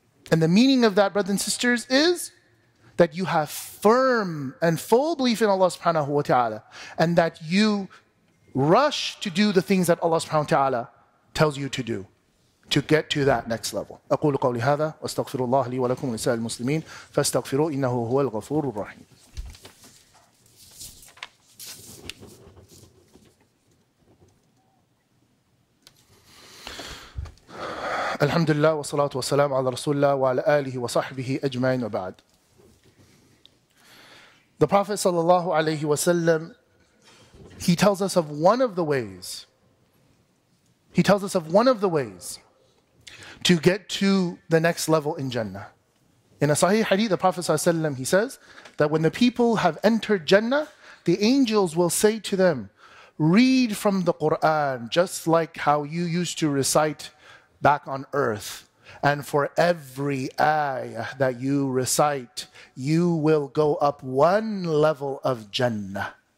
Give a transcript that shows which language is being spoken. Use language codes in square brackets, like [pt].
[en] And the meaning of that, brothers and sisters, is that you have firm and full belief in Allah subhanahu wa ta'ala, and that you rush to do the things that Allah subhanahu wa ta'ala tells you to do to get to that next level. [ar] أقول قولي هذا واستغفر الله لي ولكم ولسائر المسلمين فاستغفروا إنه هو الغفور الرحيم. الحمد لله والصلاة والسلام على رسول الله وعلى آله وصحبه أجمعين وبعد. [en] The Prophet صلى الله عليه وسلم, he tells us of one of the ways. He tells us of one of the ways to get to the next level in Jannah. In a Sahih Hadith, the Prophet صلى الله عليه وسلم, he says that when the people have entered Jannah, the angels will say to them, "Read from the Quran, just like how you used to recite back on earth, and for every ayah that you recite, you will go up one level of Jannah."